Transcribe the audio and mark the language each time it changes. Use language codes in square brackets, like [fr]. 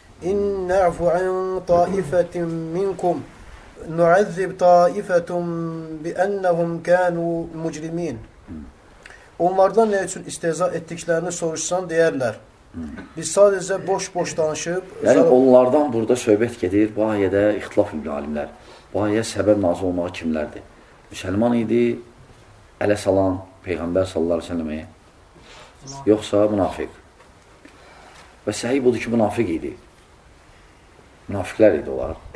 [ar] إن نعف عن طائفة منكم نعذب طائفة بأنهم كانوا مجرمين. [az] Onlardan ne için istihza ettiklerini soruşsan deyərlər. Biz sadece boş-boş danışıb. Yani onlardan burada söhbət gedir. Bu ayədə ixtilaf edir alimlər. Bu ayə səbəb nazil olmağı kimlərdir? Müsəlman idi, ələ salan Peyğəmbər sallallahu aleyhi ve sellemə. Yoxsa münafiq. Və səhih budur ki, münafiq idi. Münafiqlər idi onlar.